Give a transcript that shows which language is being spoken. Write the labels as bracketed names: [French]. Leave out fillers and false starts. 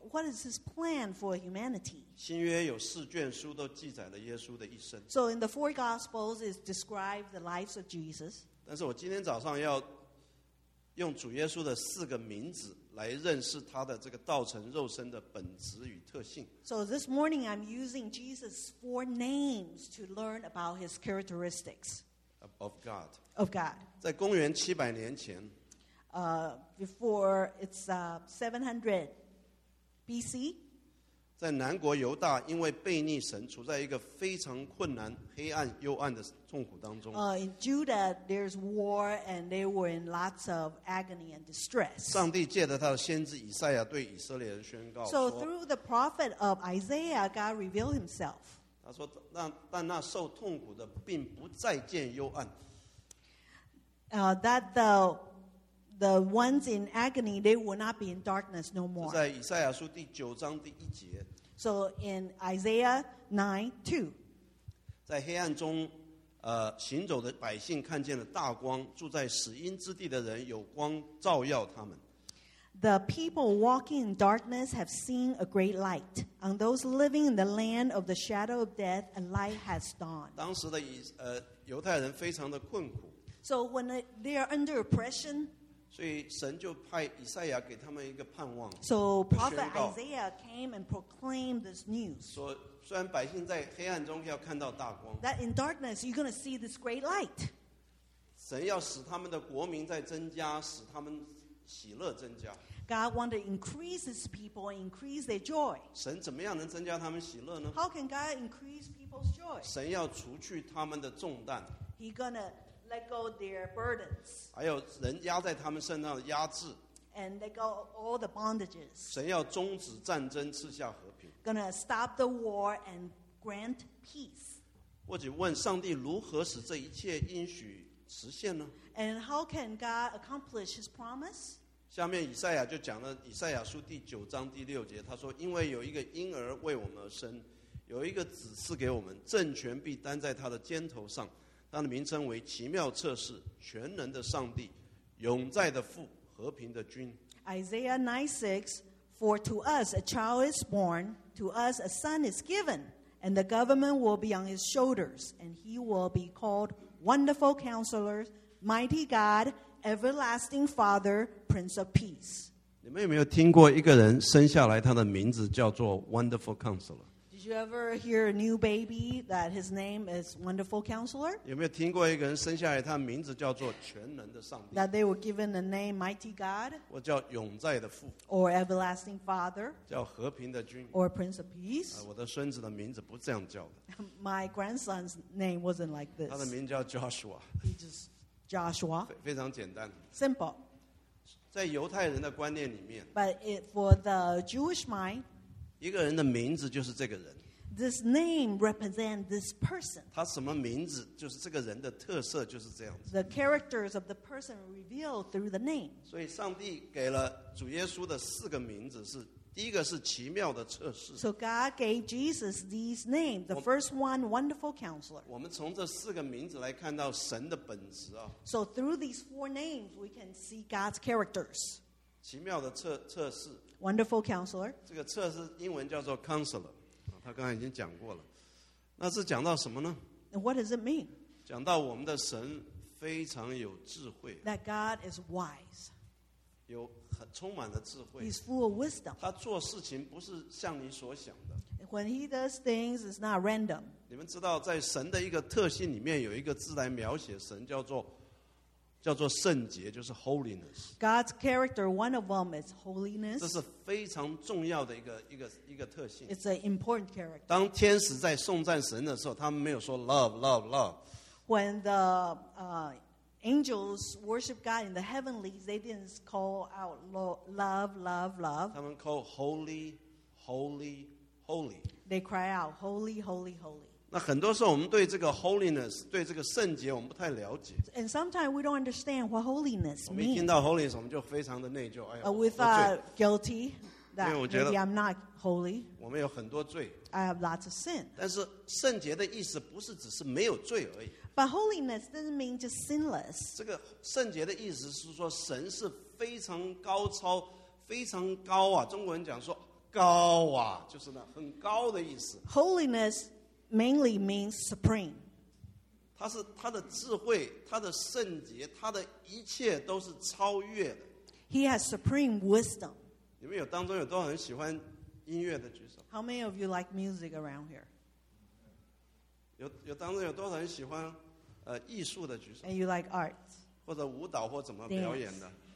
[English] What is his plan for humanity? [Chinese] 新约有四卷书都记载了耶稣的一生。 [English] So in the four Gospels, it describes the lives of Jesus. [Chinese] 但是我今天早上要用主耶稣的四个名字, 来认识他的这个道成肉身的本质与特性。 [English] So this morning I'm using Jesus' four names to learn about his characteristics. Of God. Of God. [Chinese] 在公元700年前, [English] before it's 700 BC. [Chinese] 在南国犹大因为悖逆神处在一个非常困难黑暗幽暗的痛苦当中。 [English] In Judah, there's war and they were in lots of agony and distress. [Chinese] 上帝借着他的先知以赛亚对以色列人宣告说， [English] So through the prophet of Isaiah, God revealed himself. [Chinese] 他说但那受痛苦的并不再见幽暗。 [English] That the ones in agony, they will not be in darkness no more. [Chinese] 在以赛亚书第九章第一节。 [English] So in Isaiah 9:2, [Chinese] 在黑暗中，行走的百姓看见了大光，住在死荫之地的人有光照耀他们。 [English] The people walking in darkness have seen a great light. On those living in the land of the shadow of death, a light has dawned. [Chinese] 当时的犹太人非常的困苦。 [English] So when they are under oppression, [Chinese] 所以神就派以赛亚给他们一个盼望。 [English] So prophet Isaiah came and proclaimed this news. [Chinese] 说虽然百姓在黑暗中要看到大光。 [English] That in darkness you're going to see this great light. [Chinese] 神要使他们的国民在增加，使他们喜乐增加。 [English] God want to increase his people and increase their joy. [Chinese] 神怎么样能增加他们喜乐呢？ [English] How can God increase people's joy? [Chinese] 神要除去他们的重担。 [English] He gonna let go their burdens. [Chinese] 还有人压在他们身上的压制。 [English] And let go all the bondages. [Chinese] 神要终止战争，赐下和平。 [English] Gonna stop the war and grant peace. [Chinese] 我只问上帝如何使这一切应许实现呢？ [English] And how can God accomplish His promise? [Chinese] 下面以赛亚就讲了以赛亚书第九章第六节，他说：“因为有一个婴儿为我们而生，有一个子赐给我们，政权必担在他的肩头上。” 他的名称为奇妙测试全能的上帝永在的父和平的君 [English] Isaiah 9:6 For to us a child is born to us a son is given and the government will be on his shoulders and he will be called Wonderful Counselor Mighty God Everlasting Father Prince of Peace [Chinese] 你们有没有听过一个人生下来他的名字叫做 [English] Wonderful Counselor Did you ever hear a new baby that his name is Wonderful Counselor? [Chinese] 有没有听过一个人生下来，他名字叫做全能的上帝 [English] ？That they were given the name Mighty God. [Chinese] 我叫永在的父。 [English] Or Everlasting Father. [Chinese] 叫和平的君。 [English] Or Prince of Peace. [Chinese] 我的孙子的名字不这样叫的。 [English] My grandson's name wasn't like this. [Chinese] 他的名叫 Joshua. [English] He just Joshua. [Chinese] 非常简单。 [English] Simple. [Chinese] 在犹太人的观念里面。 [English] But it, for the Jewish mind. [Chinese] 一个人的名字就是这个人。 [English] This name represents this person. [Chinese] 他什么名字，就是这个人的特色，就是这样子。 [English] The characters of the person revealed through the name. [Chinese] 所以上帝给了主耶稣的四个名字是，第一个是奇妙的测试。 [English] So God gave Jesus these names. The first one, Wonderful Counselor. [Chinese] 我们从这四个名字来看到神的本质啊。 [English] So through these four names, we can see God's characters. [Chinese] 奇妙的测试。 [English] Wonderful counselor. [Chinese] 这个测试英文叫做 counselor. 他刚才已经讲过了。那是讲到什么呢？ [English] And what does it mean? [Chinese] 讲到我们的神非常有智慧。 [English] That God is wise. [Chinese] 有很充满的智慧。 [English] He's full of wisdom. [Chinese] 他做事情不是像你所想的。 [English] When he does things, it's not random. [Chinese] 你们知道在神的一个特性里面有一个字来描写神叫做圣洁，就是 holiness. [English] God's character, one of them is holiness. [Chinese] 这是非常重要的一个特性。 [English] It's an important character. [Chinese] 当天使在颂赞神的时候，他们没有说 [English] love, love, love. When the angels worship God in the heavenlies, they didn't call out love, love, love. [Chinese] 他们 [English] call holy, holy, holy. They cry out holy, holy, holy. [Chinese] 那很多时候我们对这个 holiness 对这个圣洁我们不太了解 [English] and sometimes we don't understand what holiness means [Chinese] 我们一听到 holiness 我们就非常的内疚、哎、呀 [English] we thought guilty that maybe I'm not holy [Chinese] 我们有很多罪 [English] I have lots of sin [Chinese] 但是圣洁的意思不是只是没有罪而已 [English] but holiness doesn't mean just sinless [Chinese] 这个圣洁的意思是说神是非常高超非常高啊中国人讲说高啊就是那很高的意思 [English] holinessMainly means supreme. [Chinese] 他是他的智慧，他的圣洁，他的一切都是超越的。 [English] He has supreme wisdom. [Chinese] 你们有当中有多少人喜欢音乐的举手 [English] ？How many of you like music around here? [Chinese] 有当中有多少人喜欢艺术的举手 [English] ？And you like arts? [Chinese] 或者舞蹈或怎么表演的